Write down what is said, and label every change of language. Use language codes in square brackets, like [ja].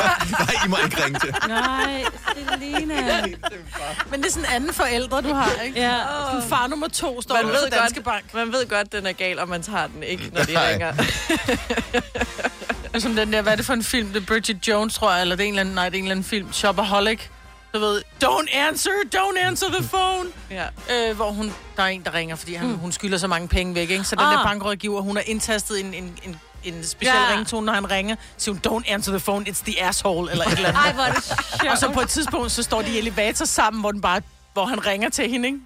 [da] Nej, I må ikke ringe til. Nej, Selina. Men det er sådan en anden forældre, du har, ikke? Ja. Sådan far nummer to står man ved godt, Danske Bank. Man ved godt, den er gal, og man tager den ikke, når de ringer. Som den der, hvad er det for en film? Det er Bridget Jones, tror jeg, eller det er en eller anden, nej, det er en eller anden film. Shopaholic. Du ved, [en] don't answer the phone. [da] Hvor hun, der er en, der ringer, fordi hun skylder så mange penge væk, ikke? Så den der bankrådgiver, hun har indtastet en speciel ringtone, når han ringer. Så hun, [en] don't answer the phone, it's the asshole, [da] eller et eller andet. Ej, hvor er det sjovt. Og så på et tidspunkt, så står de i elevator sammen, hvor den bare... hvor han ringer til hende, ikke?